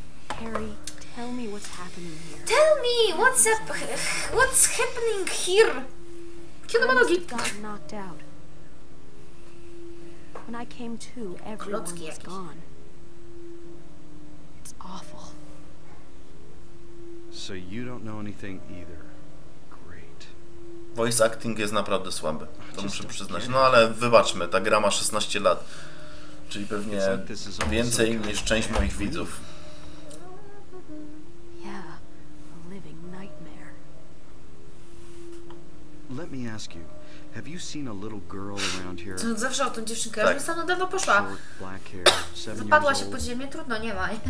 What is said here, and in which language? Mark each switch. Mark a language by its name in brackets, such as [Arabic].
[English] Harry, tell me what's happening here. Tell me what's happening here. [Polish] Kiedy ma nogi? [English] When I came to, everyone was gone. Awful. So you don't know anything either. Great. [Polish] Voice acting jest naprawdę słaby. To muszę przyznać. No ale wybaczmy, ta gra ma 16 lat. Czyli pewnie więcej niż część moich widzów. [English] Yeah, a living nightmare. Let me ask you. Have you seen a little girl around here? [Polish] To zawsze o tą dziewczynkę, ja już tam dawno poszła. Zapadła się pod ziemię, trudno, nie ma.